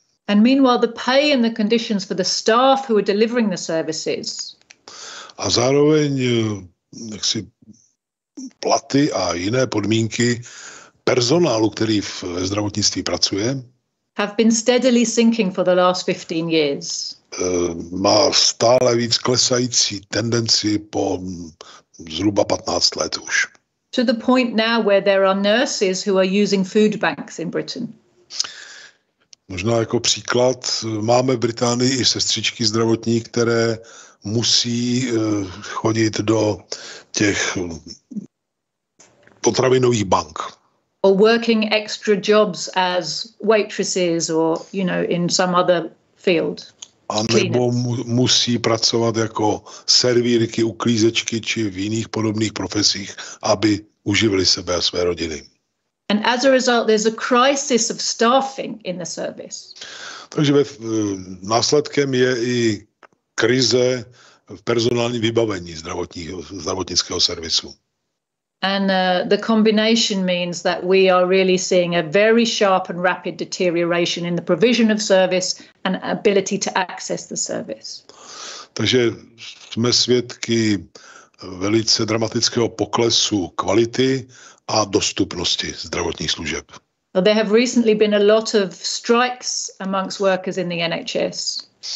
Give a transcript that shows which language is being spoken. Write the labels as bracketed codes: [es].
[en] And meanwhile, the pay and the conditions for the staff who are delivering the services. [cs] A zároveň jaksi platy a jiné podmínky personálu, který ve zdravotnictví pracuje, [en] have been steadily sinking for the last 15 years. [cs] Má stále víc klesající tendenci po zhruba 15 let už. [en] To the point now where there are nurses who are using food banks in Britain. [cs] Možná jako příklad, máme v Británii i sestřičky zdravotní, které musí chodit do těch potravinových bank. [en] Or working extra jobs as waitresses or, you know, in some other field. [cs] A nebo musí pracovat jako servírky, uklízečky či v jiných podobných profesích, aby uživili sebe a své rodiny. [en] And as a result, there's a crisis of staffing in the service. [cs] Takže následkem je i krize v personálním vybavení zdravotnického servisu. [en] And the combination means that we are really seeing a very sharp and rapid deterioration in the provision of service and ability to access the service. [cs] Takže jsme svědky velice dramatického poklesu kvality a dostupnosti zdravotních služeb. [en] There have recently been a lot of strikes amongst workers in the NHS.